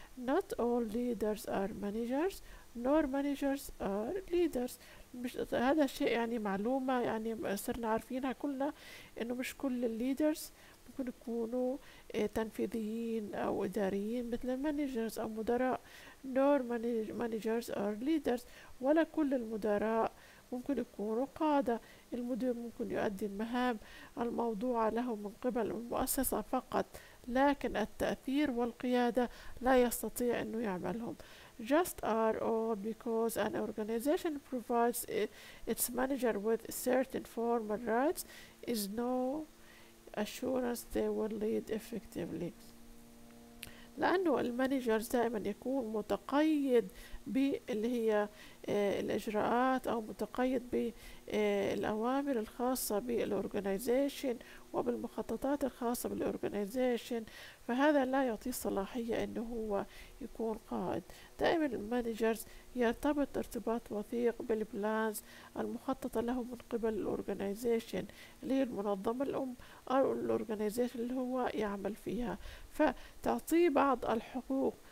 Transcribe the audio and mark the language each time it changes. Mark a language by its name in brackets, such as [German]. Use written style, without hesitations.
[English] Not all leaders are managers nor managers are leaders. [Arabic] مش هذا الشيء يعني معلومة يعني صرنا عارفينها كلنا، إنه مش كل الليدرز ممكن يكونوا تنفيذيين أو إداريين مثل المانجرز أو مدراء. [English] Nor managers are leaders. [Arabic] ولا كل المدراء ممكن يكونوا قادة. المدير ممكن يؤدي المهام الموضوعة له من قبل المؤسسة فقط، لكن التأثير والقيادة لا يستطيع إنه يعملهم. [English] Just are all because an organization provides its manager with certain formal rights is no assurance they will lead effectively. [Arabic] لأنه المانجر دائما يكون متقيد باللي هي الإجراءات أو متقيد بالأوامر الخاصة بالأورجنايزيشن وبالمخططات الخاصة بالأورجنايزيشن، فهذا لا يعطي صلاحية أنه هو يكون قائد. دائما المانجرز يرتبط ارتباط وثيق بالبلانز المخططة له من قبل الأورجنايزيشن اللي هي المنظمة الأم أو الأورجنايزيشن اللي هو يعمل فيها، فتعطيه بعض الحقوق،